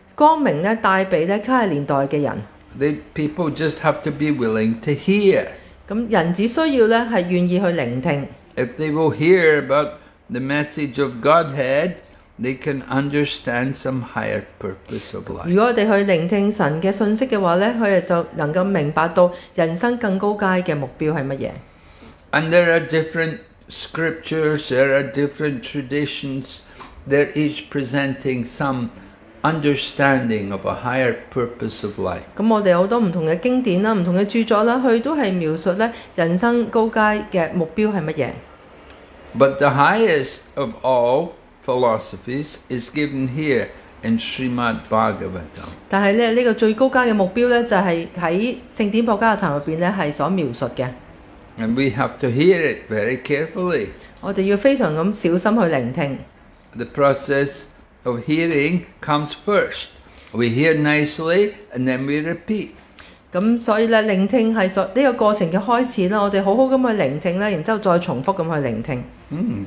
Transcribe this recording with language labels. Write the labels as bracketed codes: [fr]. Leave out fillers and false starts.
[zh] 所以這兩本書都是將光明帶給卡利年代的人。 [en] The people just have to be willing to hear. [zh] 人只需要願意去聆聽。 [en] If they will hear about the message of Godhead, they can understand some higher purpose of life. [zh] 如果我們去聆聽神的訊息的話，他們就能夠明白到人生更高階的目標是什麼。 [en] And there are different scriptures, there are different traditions, they're each presenting some understanding of a higher purpose of life. And there are But the highest of all philosophies is given here in Srimad Bhagavatam. But the And we have to hear it very carefully. [zh] 我們要非常小心去聆聽。 [en] The process of hearing comes first. We hear nicely and then we repeat. [zh] 所以聆聽是這個過程的開始，我們好好地去聆聽，然後再重複地去聆聽。